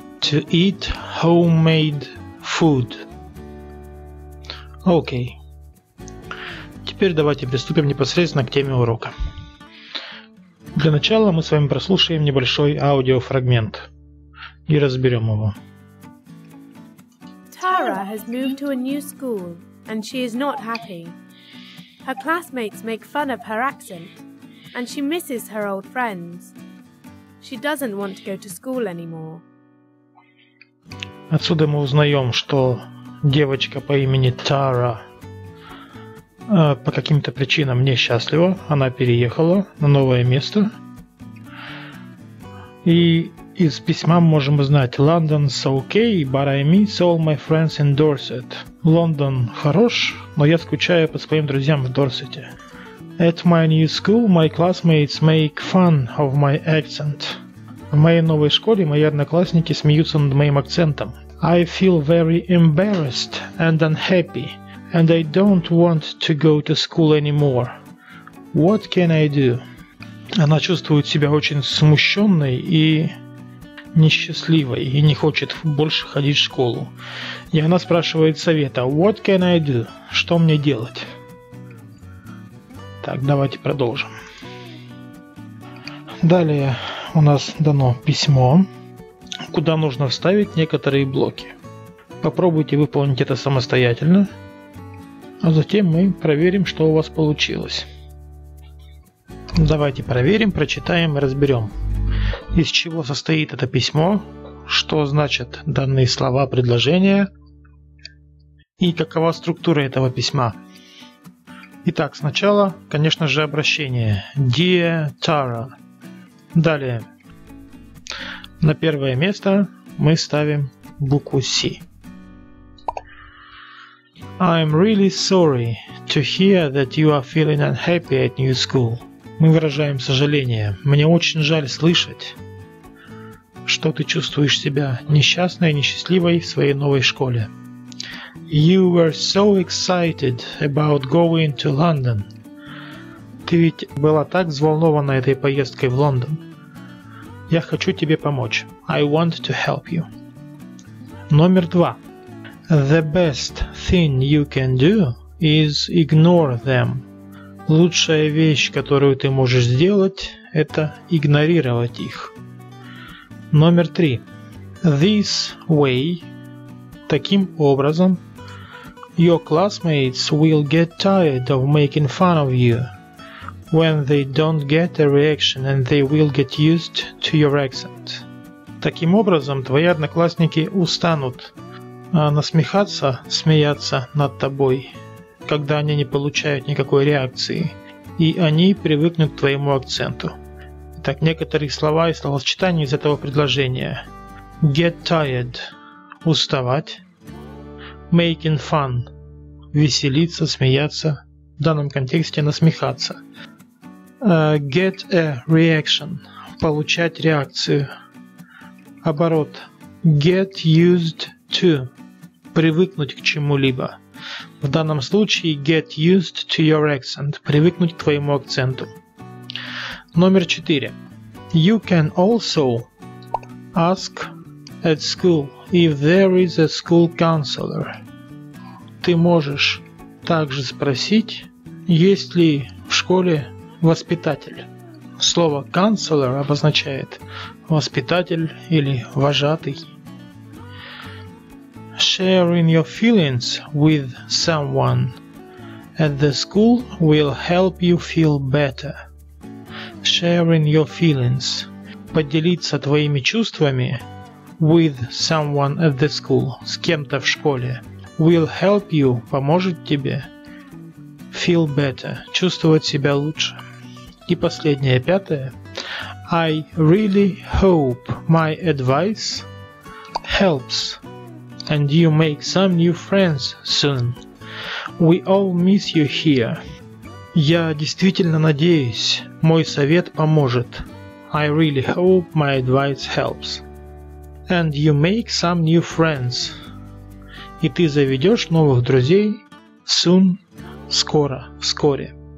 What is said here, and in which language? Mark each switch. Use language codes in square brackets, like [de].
[en] To eat homemade food. Окей. [ru] Теперь давайте приступим непосредственно к теме урока. Для начала мы с вами прослушаем небольшой аудиофрагмент и разберем его. [en] Tara has moved to a new school, and she is not happy. Her classmates make fun of her accent, and she misses her old friends. She doesn't want to go to school anymore. [ru] Отсюда мы узнаем, что девочка по имени Тара по каким-то причинам несчастлива, она переехала на новое место. И из письма мы можем узнать: [en] London's okay, but I miss all my friends in Dorset. [ru] Лондон хорош, но я скучаю по своим друзьям в Дорсете. [en] At my new school, my classmates make fun of my accent. В моей новой школе мои одноклассники смеются над моим акцентом. I feel very embarrassed and unhappy. And I don't want to go to school anymore. What can I do? [ru] Она чувствует себя очень смущенной и несчастливой, и не хочет больше ходить в школу. И она спрашивает совета. [en] What can I do? [ru] Что мне делать? Так, давайте продолжим. Далее у нас дано письмо, куда нужно вставить некоторые блоки. Попробуйте выполнить это самостоятельно. А затем мы проверим, что у вас получилось. Давайте проверим, прочитаем и разберем, из чего состоит это письмо, что значат данные слова, предложения и какова структура этого письма. Итак, сначала, конечно же, обращение. [en] Dear Tara. [ru] Далее. На первое место мы ставим букву C. [en] I'm really sorry to hear that you are feeling unhappy at new school. [ru] Мы выражаем сожаление. Мне очень жаль слышать, что ты чувствуешь себя несчастной и несчастливой в своей новой школе. [en] You were so excited about going to London. [ru] Ты ведь была так взволнована этой поездкой в Лондон. Я хочу тебе помочь. [en] I want to help you. [ru] Номер два. [en] The best thing you can do is ignore them. [ru] Лучшая вещь, которую ты можешь сделать, это игнорировать их. Номер три. [en] This way, [ru] таким образом, [en] your classmates will get tired of making fun of you when they don't get a reaction and they will get used to your accent. [ru] Таким образом, твои одноклассники устанут насмехаться, смеяться над тобой, когда они не получают никакой реакции, и они привыкнут к твоему акценту. Так, некоторые слова и словосочетания из этого предложения. [en] Get tired – [ru] уставать. [en] Making fun – [ru] веселиться, смеяться. В данном контексте насмехаться. [en] Get a reaction [ru] – получать реакцию. Оборот. [en] Get used to – [ru] привыкнуть к чему-либо. В данном случае [en] get used to your accent. [ru] Привыкнуть к твоему акценту. Номер 4. [en] You can also ask at school if there is a school counselor. [ru] Ты можешь также спросить, есть ли в школе воспитатель. Слово counselor обозначает воспитатель или вожатый. [en] Sharing your feelings with someone at the school will help you feel better. Sharing your feelings. [ru] Поделиться твоими чувствами [en] with someone at the school, [ru] с кем-то в школе, [en] will help you, [ru] поможет тебе [en] feel better, [ru] чувствовать себя лучше. И последнее, пятое. [en] I really hope my advice helps and you make some new friends soon. We all miss you here. [ru] Я действительно надеюсь, мой совет поможет. [en] I really hope my advice helps. And you make some new friends. [ru] И ты заведешь новых друзей [en] soon, [ru] скоро, вскоре.